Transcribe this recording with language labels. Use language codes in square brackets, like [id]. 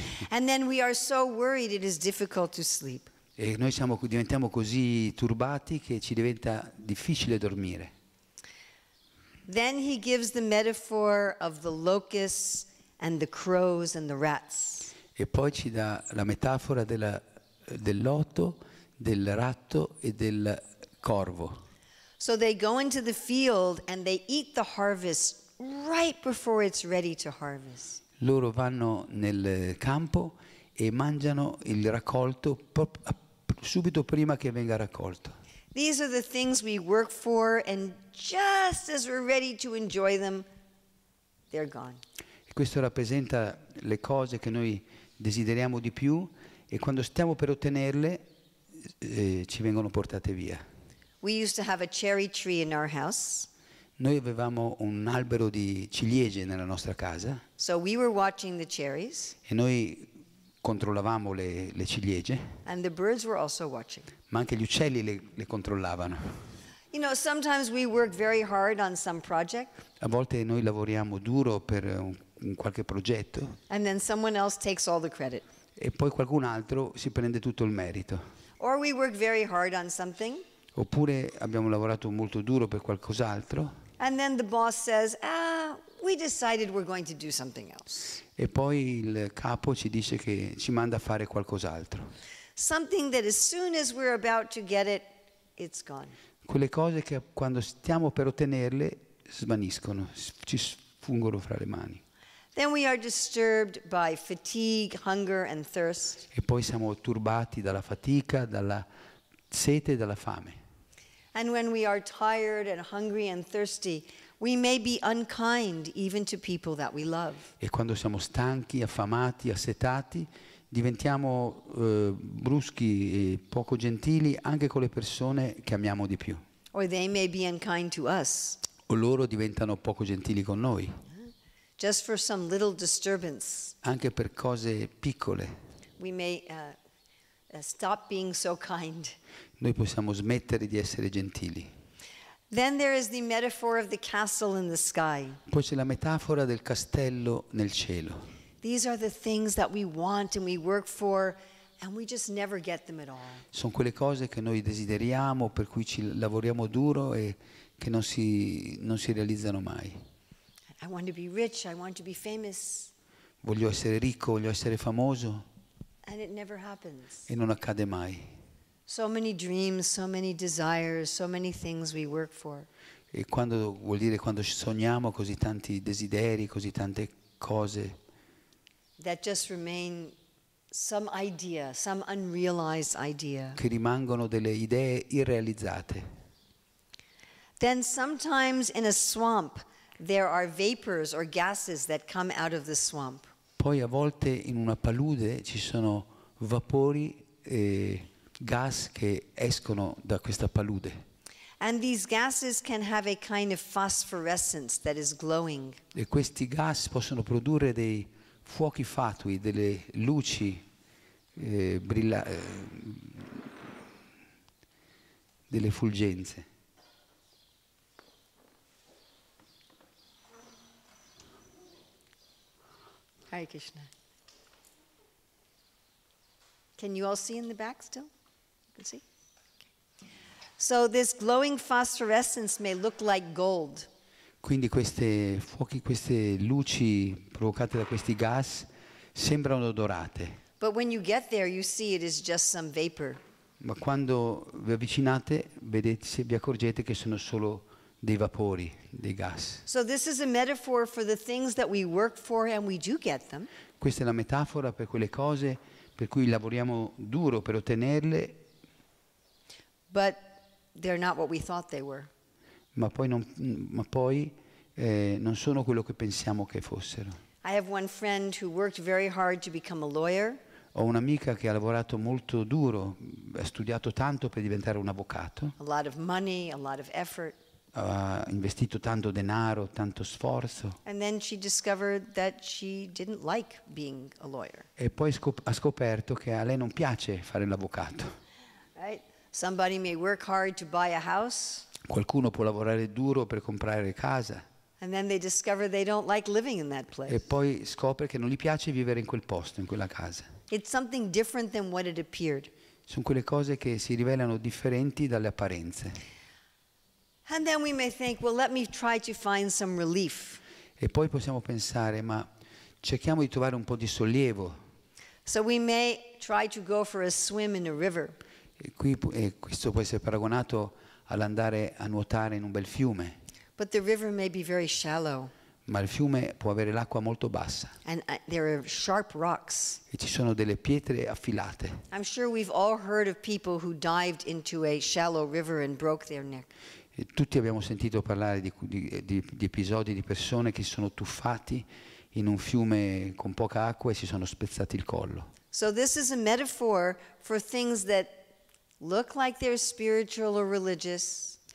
[en] And then we are so worried it is difficult to sleep. [it] E noi diventiamo così turbati che ci diventa difficile dormire. [en] Then he gives the metaphor of the locusts and the crows and the rats. [it] E poi ci dà la metafora del lotto, del ratto e del corvo. [en] So they go into the field and they eat the harvest right before it's ready to harvest. [it] Loro vanno nel campo e mangiano il raccolto subito prima che venga raccolto. [en] These are the things we work for, and just as we're ready to enjoy them, they're gone. [it] E questo rappresenta le cose che noi desideriamo di più. E quando stiamo per ottenerle, ci vengono portate via. [en] We used to have a cherry tree in our house. [it] Noi avevamo un albero di ciliegie nella nostra casa. [en] So we were watching the cherries. [it] E noi controllavamo le ciliegie. [en] And the birds were also watching. [it] Ma anche gli uccelli le controllavano. [en] You know, sometimes we work very hard on some project. [it] A volte noi lavoriamo duro per un qualche progetto. [en] And then someone else takes all the credit. [it] E poi qualcun altro si prende tutto il merito. [en] Or we work very hard on something. [it] Oppure abbiamo lavorato molto duro per qualcos'altro. [en] And then the boss says, we decided we're going to do something else. [it] E poi il capo ci dice che ci manda a fare qualcos'altro. [en] Something that as soon as we're about to get it, it's gone. [it] Quelle cose che quando stiamo per ottenerle svaniscono, ci sfuggono fra le mani. [en] Then we are disturbed by fatigue, hunger, and thirst. [it] E poi siamo turbati dalla fatica, dalla sete e dalla fame. [en] And when we are tired and hungry and thirsty, we may be unkind even to people that we love. [it] E quando siamo stanchi, affamati, assetati, diventiamo bruschi e poco gentili anche con le persone che amiamo di più. [en] Or they may be unkind to us. [it] O loro diventano poco gentili con noi. [en] Just for some little disturbance. [it] Anche per cose piccole. [en] We may stop being so kind. [it] Noi possiamo smettere di essere gentili. [en] Then there is the metaphor of the castle in the sky. [it] Poi c'è la metafora del castello nel cielo. [en] These are the things that we want and we work for, and we just never get them at all. [it] Sono quelle cose che noi desideriamo, per cui ci lavoriamo duro e che non si realizzano mai. [en] I want to be rich, I want to be famous. [it] Voglio essere ricco, voglio essere famoso. [en] And it never happens. [it] E non accade mai. [en] So many dreams, so many desires, so many things we work for. [it] E quando vuol dire quando sogniamo così tanti desideri, così tante cose. [en] That just remain some idea, some unrealized idea. [it] Che rimangono delle idee irrealizzate. [en] Then sometimes in a swamp there are vapors or gases that come out of the swamp. [it] Poi a volte in una palude ci sono vapori e gas che escono da questa palude. [en] And these gases can have a kind of phosphorescence that is glowing. [it] E questi gas possono produrre dei fuochi fatui, delle luci delle fulgenze. [sa] Hare Krishna. [en] Can you all see in the back still? You can see? Okay. So this glowing phosphorescence may look like gold. [it] Quindi queste fuochi, queste luci provocate da questi gas sembrano dorate. [en] But when you get there you see it is just some vapor. [it] Ma quando vi avvicinate, vedete, vi accorgete che sono solo dei vapori, dei gas. [en] So this is a metaphor for the things that we work for and we do get them. [it] Questa è la metafora per quelle cose per cui lavoriamo duro per ottenerle. [en] But they're not what we thought they were. [it] Ma poi non sono quello che pensiamo che fossero. [en] I have one friend who worked very hard to become a lawyer. [it] Ho un'amica che ha lavorato molto duro, ha studiato tanto per diventare un avvocato. [en] A lot of money, a lot of effort. [it] Ha investito tanto denaro, tanto sforzo. [en] And then she discovered that she didn't like being a lawyer. [it] E poi ha scoperto che a lei non piace fare l'avvocato. [en] Right? Somebody may work hard to buy a house. [it] Qualcuno può lavorare duro per comprare casa. [en] And then they discover they don't like living in that place. [it] E poi scopre che non gli piace vivere in quel posto, in quella casa. [en] It's something different than what it appeared. [it] Sono quelle cose che si rivelano differenti dalle apparenze. [en] And then we may think, well, let me try to find some relief. [it] E poi possiamo pensare, ma cerchiamo di trovare un po' di sollievo. [en] So we may try to go for a swim in a river. [it] E questo può essere paragonato all'andare a nuotare in un bel fiume. [en] But the river may be very shallow. [it] Ma il fiume può avere l'acqua molto bassa. [en] And there are sharp rocks. [it] E ci sono delle pietre affilate. [en] I'm sure we've all heard of people who dived into a shallow river and broke their neck. [it] E tutti abbiamo sentito parlare di episodi di persone che si sono tuffati in un fiume con poca acqua e si sono spezzati il collo. [en] So this is a metaphor for things that look like they're spiritual or religious.